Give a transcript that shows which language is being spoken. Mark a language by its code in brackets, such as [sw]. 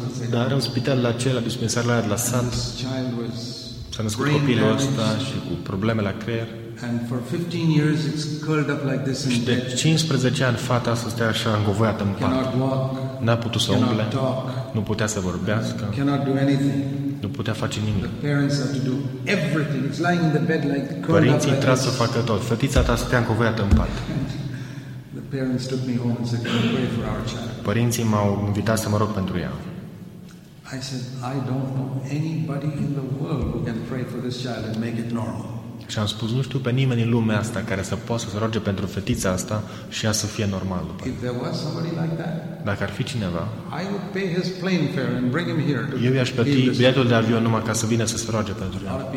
[ro] Dar în spitalul acela, dispensarul aia de la Sant, s-a născut copilul ăsta și cu probleme la creier. [en] And for 15 years it's curled up like this in bed. [ro] De 15 ani fata asta stătea așa îngovoiată în pat. N-a putut să umble. Nu putea să vorbească. Nu putea face nimic. [en] Parents have to do everything. It's lying in the bed like curled up. [ro] Părinții trebuie să facă tot. Fetița ta stătea îngovoiată în pat. [en] The parents took me home and said, "Can you pray for our child?" [ro] Părinții m-au invitat să mă rog pentru ea. [en] I said, "I don't know anybody in the world who can pray for this child and make it normal." [ro] Și am spus, nu știu pe nimeni în lumea asta care să poată să se roage pentru fetița asta și ea să fie normal după. [en] If there was somebody like that, [ro] dacă ar fi cineva, [en] I would pay his plane fare and bring him here to. [ro] Eu i-aș plăti biletul de avion numai ca să vină să se roage pentru ea.